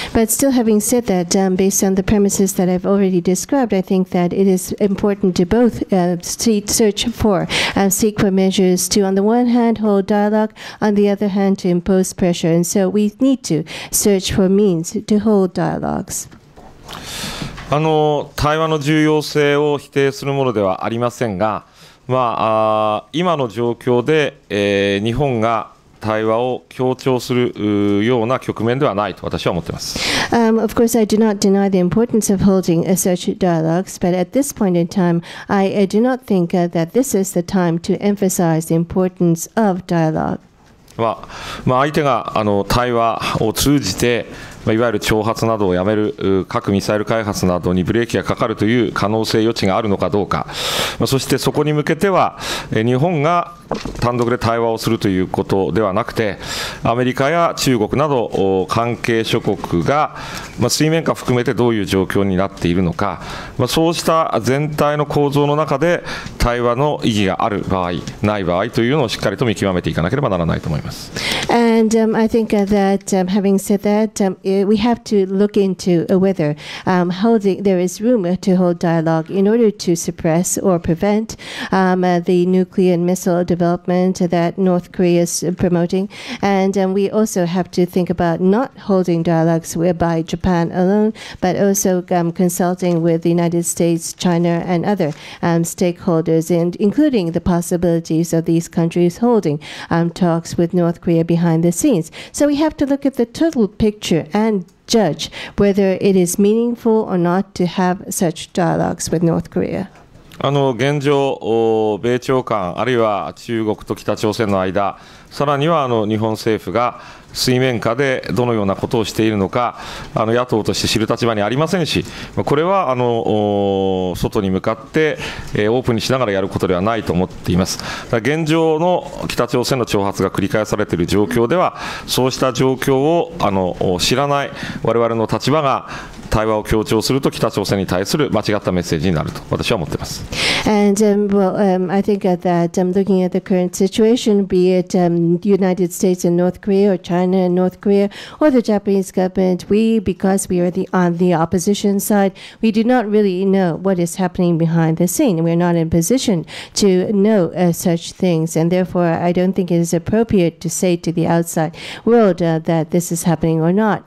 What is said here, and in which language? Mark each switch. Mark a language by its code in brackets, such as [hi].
[en] But still, having said that, based on the premises that I've already described, I think that it is important to both search for and seek for measures to, on the one hand, hold dialogue, on the other hand, to impose pressure. And so we need to search for means to hold dialogues. [ja] 対話の重要性を否定するものではありませんが、まあ、今の状況で、日本が対話を強調するような局面ではないと私は思っています。 [en] Of course, I do not deny the importance of holding such dialogues, but at this point in time, I do not think that this is the time to emphasize the importance of dialogue. [ja] まあ、まあ、相手が対話を通じて、いわゆる挑発などをやめる、核ミサイル開発などにブレーキがかかるという可能性、余地があるのかどうか、そしてそこに向けては、日本が単独で対話をするということではなくて、アメリカや中国など関係諸国が、まあ、水面下含めてどういう状況になっているのか、まあ、そうした全体の構造の中で対話の意義がある場合、ない場合というのをしっかりと見極めていかなければならないと思います。 [en] And I think that having said that, we have to look into whether there is room to hold dialogue in order to suppress or prevent the nuclear and missile development that North Korea is promoting. And we also have to think about not holding dialogues by Japan alone, but also consulting with the United States, China, and other stakeholders, and including the possibilities of these countries holding talks with North Korea behind the scenes. So we have to look at the total picture and judge whether it is meaningful or not to have such dialogues with North Korea. [ja] 現状、米朝間、あるいは中国と北朝鮮の間、さらには日本政府が水面下でどのようなことをしているのか、野党として知る立場にありませんし、これは外に向かって、オープンにしながらやることではないと思っています。だから現状の北朝鮮の挑発が繰り返されている状況では、そうした状況を知らない我々の立場が、対話を強調すると北朝鮮に対する間違ったメッセージになると私は思っています。 [en] And I think that looking at the current situation, be it United States and North Korea or China and North Korea or the Japanese government, we, because we are on the opposition side, we do not really know what is happening behind the scene. We are not in position to know such things, and therefore I don't think it is appropriate to say to the outside world that this is happening or not.